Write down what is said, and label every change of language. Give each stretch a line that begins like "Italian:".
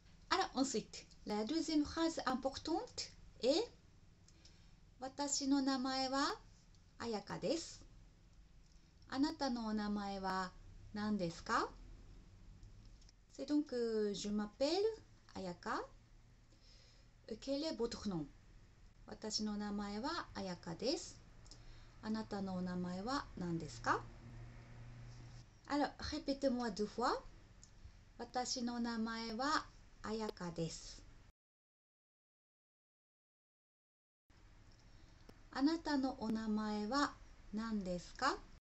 French: Alors ensuite, la deuxième phrase importante est
Japanese: わたしの名前はAyakaです。あなたのお名前は何ですか?
French: C'est donc, je m'appelle Ayaka. Quel est votre nom?
Japanese: わたしの名前はAyakaです。あなたのお名前は何ですか?
French: Alors, répétez-moi deux fois.
Japanese: Watashi no namae wa Ayaka desu. Anata no o namae wa nan desu ka?